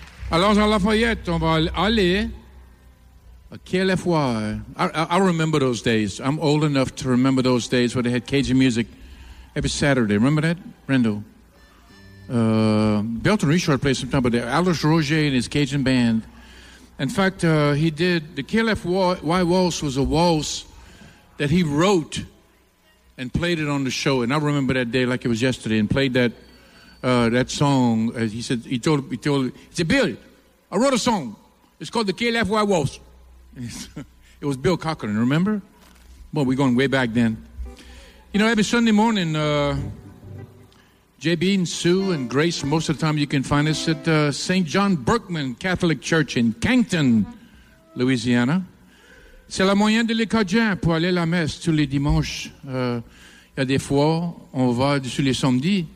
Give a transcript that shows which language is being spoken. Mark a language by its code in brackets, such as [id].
[fr] Alors, Jean Lafayette, on va aller à Quai-les-Foires. [en] I remember those days. I'm old enough to remember those days where they had Cajun music every Saturday. Remember that, Rendell? Belton Richard played sometime, but Alice Roger and his Cajun band. In fact, he did the Quai-les-Foires waltz was a waltz that he wrote and played it on the show. And I remember that day like it was yesterday and played that. That song, he said, Bill, I wrote a song. It's called The Quai-les-Foires Waltz. It was Bill Cochran, remember? Well, we're going way back then. You know, every Sunday morning, JB and Sue and Grace, most of the time you can find us at St. John Berkman Catholic Church in Kankton, Louisiana. [fr] C'est la moyenne de l'écadien pour aller à la messe tous les dimanches. Il y a des fois, on va sur les samedis.